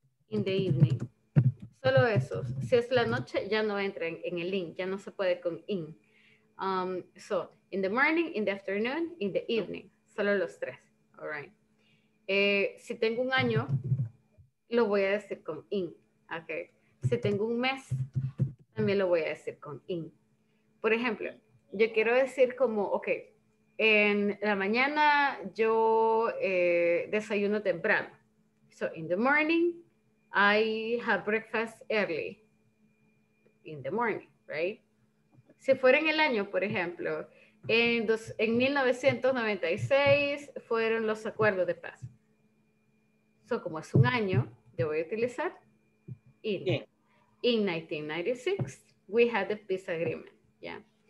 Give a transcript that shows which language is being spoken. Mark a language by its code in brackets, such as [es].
[en] In the evening. [es] Solo eso. Si es la noche, ya no entra en el in. Ya no se puede con in. [en] So, in the morning, in the afternoon, in the evening. [es] Solo los tres. [en] All right. [es] Si tengo un año, lo voy a decir con in. Okay. Si tengo un mes, también lo voy a decir con in. Por ejemplo, yo quiero decir como, okay, en la mañana yo desayuno temprano. [en] So, in the morning, I have breakfast early in the morning, right? [es] Si fuera en el año, por ejemplo, en 1996 fueron los acuerdos de paz. So, como es un año, yo voy a utilizar in. [en] Yeah. In 1996, we had the peace agreement, yeah?